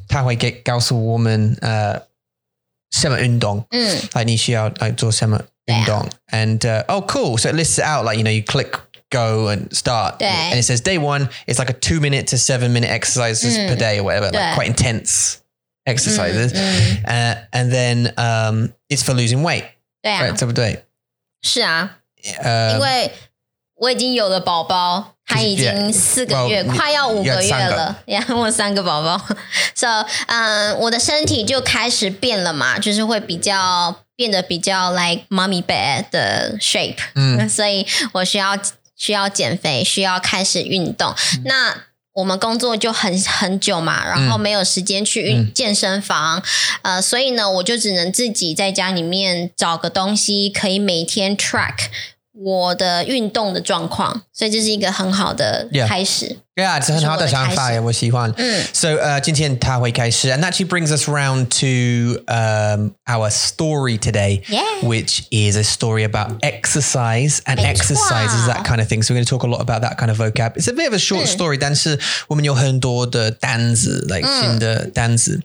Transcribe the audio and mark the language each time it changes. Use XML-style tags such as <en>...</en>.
<zh>他会告诉我们, 什么运动. Like, 你需要, like, 做什么运动.</zh> <en>Yeah. And, oh, cool. So it lists it out, like, you know, you click go and start.</en> <zh>对.</zh> <en>And it says day one, it's like a 2 minute to 7 minute exercises per day or whatever. 对. Like, quite intense exercises. And then it's for losing weight.</en> <zh>对啊, right, 对不对? 是啊, 因为我已经有了宝宝, 他已经四个月, 快要五个月了, 我三个宝宝, so, 我的身体就开始变了嘛, 就是会比较, 变得比较</zh> <en>like mommy bear</en> <zh>的 shape, 所以我需要减肥, 需要开始运动, 我们工作就很久嘛, 然后没有时间去健身房, 所以呢, 我就只能自己在家里面找个东西, 可以每天track 我的运动的状况, 所以这是一个很好的开始。 Yeah, yeah, 是很好的想法, 我喜欢。</zh> <en>So,</en> <zh>今天他会开始,</zh> <en>and that actually brings us round to our story today, which is a story about exercise and exercises, that kind of thing. So we're going to talk a lot about that kind of vocab. It's a bit of a short story,</en> <zh>但是我们有很多的单字,</zh> <en>like 新的单字。</en>